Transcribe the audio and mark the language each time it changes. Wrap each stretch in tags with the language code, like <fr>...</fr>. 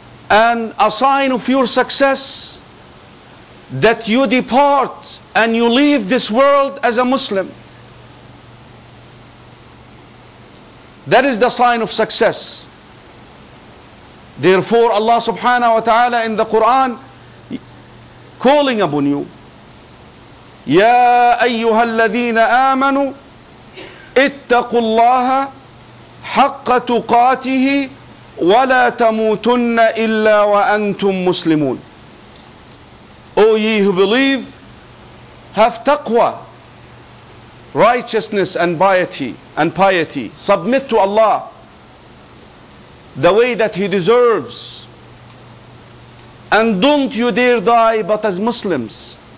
<en>And a sign of your success, that you depart and you leave this world as a Muslim. That is the sign of success. Therefore, Allah subhanahu wa ta'ala in the Quran, calling upon you,</en> <ar>يا أيها الذين آمنوا اتقوا الله حق تقاته ولا تموتن إلا وأنتم مسلمون.</ar> <en>O ye who believe, have taqwa, righteousness and piety, submit to Allah the way that He deserves, and don't you dare die but as Muslims.</en>